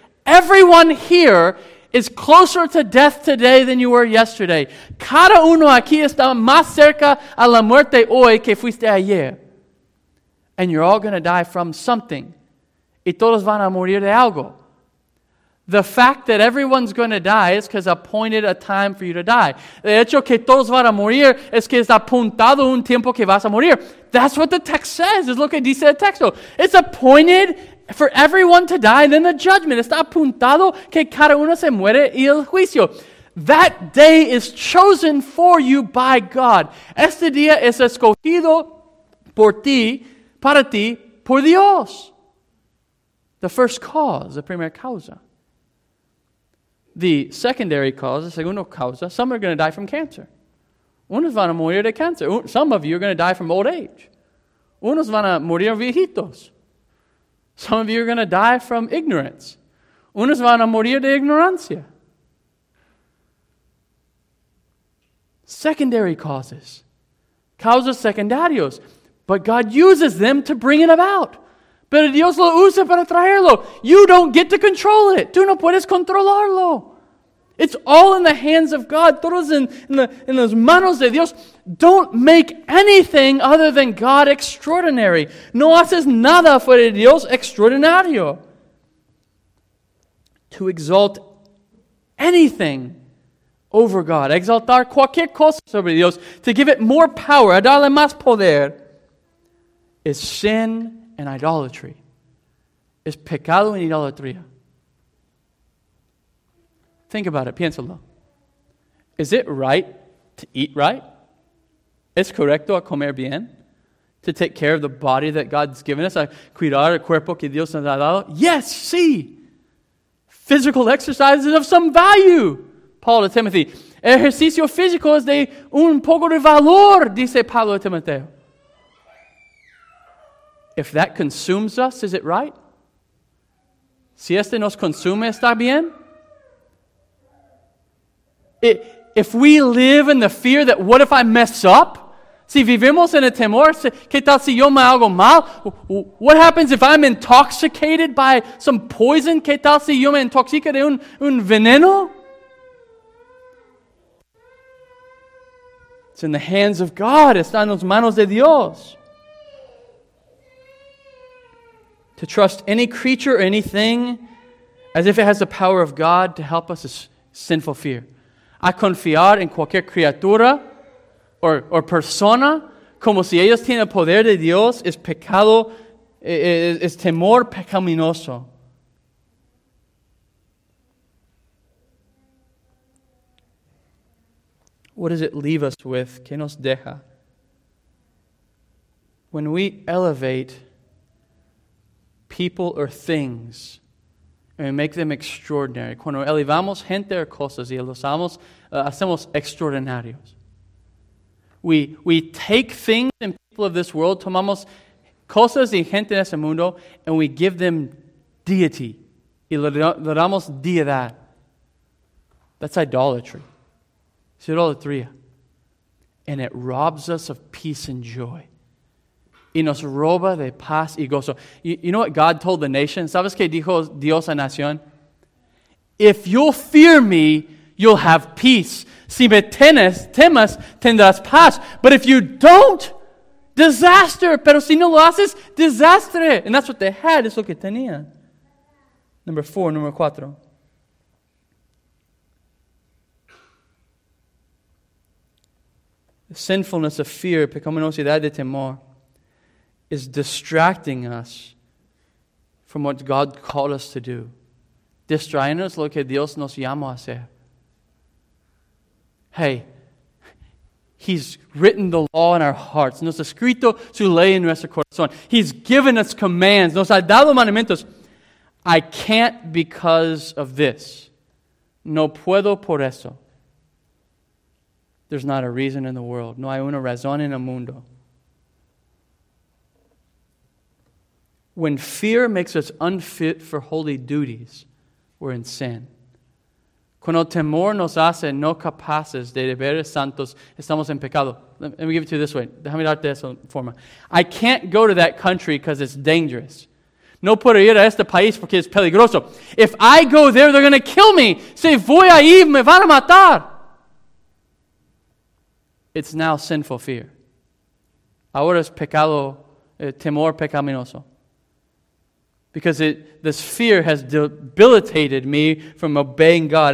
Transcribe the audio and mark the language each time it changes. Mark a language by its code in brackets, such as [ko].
[en] Everyone here is closer to death today than you were yesterday. [es] Cada uno aquí está más cerca a la muerte hoy que fuiste ayer. [en] And you're all going to die from something. [es] Y todos van a morir de algo. [en] The fact that everyone's going to die is because appointed a time for you to die. [es] De hecho que todos van a morir es que está apuntado un tiempo que vas a morir. [en] That's what the text says. [es] Es lo que dice el texto. [en] It's appointed for everyone to die and then the judgment. [es] Está apuntado que cada uno se muere y el juicio. [en] That day is chosen for you by God. [es] Este día es escogido por ti, para ti, por Dios. [en] The first cause, the [es] primera causa. [en] The secondary cause, the [es] segundo causa, [en] some are going to die from cancer. [es] Unos van a morir de cáncer. [en] Some of you are going to die from old age. [es] Unos van a morir viejitos. [en] Some of you are going to die from ignorance. [es] Unos van a morir de ignorancia. [en] Secondary causes. [es] Causas secundarios. [en] But God uses them to bring it about. [es] Pero Dios lo usa para traerlo. [en] You don't get to control it. [es] Tú no puedes controlarlo. [en] It's all in the hands of God. [es] Todos en las manos de Dios. [en] Don't make anything other than God extraordinary. [es] No haces nada fuera de Dios extraordinario. [en] To exalt anything over God. [es] Exaltar cualquier cosa sobre Dios. [en] To give it more power. [es] A darle más poder. [en] Is sin and idolatry. [es] Es pecado y idolatría. [en] Think about it. [es] Piénsalo. [en] Is it right to eat right? [es] ¿Es correcto a comer bien? [en] To take care of the body that God's given us? [es] ¿A cuidar el cuerpo que Dios nos ha dado? [en] Yes, [es] sí. [en] Physical exercise is of some value. Paul to Timothy. [es] Ejercicio físico es de un poco de valor, dice Pablo a Timoteo. [en] If that consumes us, is it right? [es] Si este nos consume, ¿está bien? [en] If we live in the fear that what if I mess up? [es] Si vivimos en el temor, ¿qué tal si yo me hago mal? [en] What happens if I'm intoxicated by some poison? [es] ¿Qué tal si yo me intoxico de un veneno? [en] It's in the hands of God. [es] Está en las manos de Dios. [en] To trust any creature or anything as if it has the power of God to help us is sinful fear. [es] A confiar en cualquier criatura or persona como si ellos tienen el poder de Dios es pecado, es temor pecaminoso. [en] What does it leave us with? [es] ¿Qué nos deja? [en] When we elevate people or things, and we make them extraordinary. [es] Cuando elevamos gente o cosas y los hacemos extraordinarios. [en] We take things and people of this world, [es] tomamos cosas y gente en ese mundo, [en] and we give them deity. [es] Y le damos deidad. [en] That's idolatry. It's [es] idolatría. [en] And it robs us of peace and joy. [es] Y nos roba de paz y gozo. [en] You know what God told the nation? [es] ¿Sabes qué dijo Dios a nación? [en] If you'll fear me, you'll have peace. [es] Si me temas, tendrás paz. [en] But if you don't, disaster. [es] Pero si no lo haces, desastre. [en] And that's what they had. [es] Es lo que tenían. Número cuatro. [en] The sinfulness of fear, [es] pecaminosidad de temor, [en] is distracting us from what God called us to do. [es] Distraernos lo que Dios nos llamó a hacer. [en] Hey, He's written the law in our hearts. [es] Nos ha escrito su ley en nuestro corazón. [en] He's given us commands. [es] Nos ha dado mandamientos. [en] I can't because of this. [es] No puedo por eso. [en] There's not a reason in the world. [es] No hay una razón en el mundo. [en] When fear makes us unfit for holy duties, we're in sin. [es] Cuando temor nos hace no capaces de deberes santos, estamos en pecado. [en] Let me give it to you this way. [es] Déjame darte esa forma. [en] I can't go to that country because it's dangerous. [es] No puedo ir a este país porque es peligroso. [en] If I go there, they're going to kill me. [es] Si voy ahí, me van a matar. [en] It's now sinful fear. [es] Ahora es pecado, temor pecaminoso. [en] Because this fear has debilitated me from obeying God.